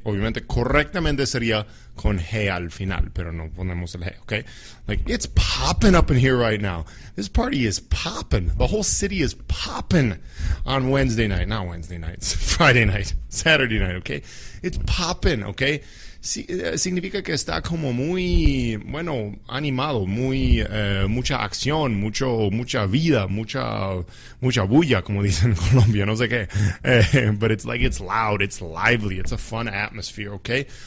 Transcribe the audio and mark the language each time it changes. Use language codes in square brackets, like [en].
[es] Obviamente, correctamente sería con G al final, pero no ponemos el G, okay? [en] Like, it's poppin' up in here right now. This party is poppin'. The whole city is poppin' on Wednesday night. Not Wednesday night, it's Friday night, Saturday night, okay? It's poppin', okay? [es] Significa que está como muy, bueno, animado, muy, mucha acción, mucha vida, mucha bulla, como dicen en Colombia, no sé qué. [en] But it's like, it's loud, it's lively, it's a fun atmosphere, okay?